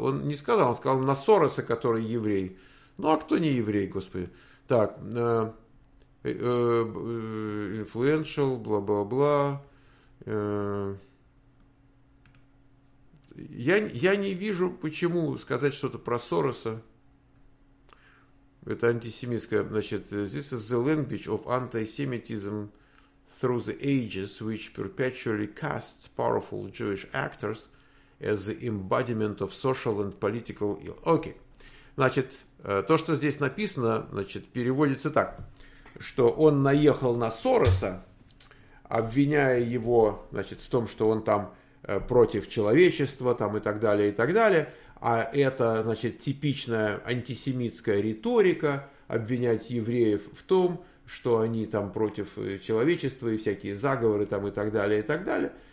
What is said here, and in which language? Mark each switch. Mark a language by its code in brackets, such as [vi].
[ru] Он не сказал. Он сказал на Сороса, который еврей. Ну а кто не еврей, господи? Так, influential, бла-бла-бла. Я не вижу, почему сказать что-то про Сороса. Это антисемитское. [en] Значит, this is the language of antisemitism through the ages, which perpetually casts powerful Jewish actors as the embodiment of social and political ill. Okay. [ru] Значит, то, что здесь написано, значит, переводится так, что он наехал на Сороса, обвиняя его, значит, в том, что он там против человечества, там, и так далее, и так далее. А это, значит, типичная антисемитская риторика, обвинять евреев в том, что они там против человечества и всякие заговоры там и так далее, и так далее.